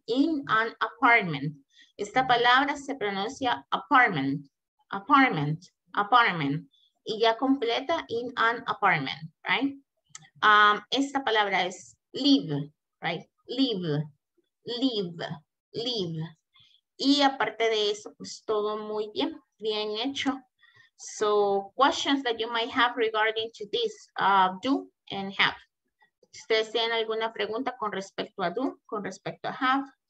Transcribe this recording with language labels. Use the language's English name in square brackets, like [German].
[Spanish] In an apartment. Esta palabra se pronuncia apartment, apartment, apartment. Y ya completa, in an apartment, right? Esta palabra es live, right? [English] Live, live, live. [Spanish] Y aparte de eso, pues todo muy bien, bien hecho. [English] So, questions that you might have regarding to this, do and have. [Spanish] ¿Ustedes tienen alguna pregunta con respecto a do, con respecto a have?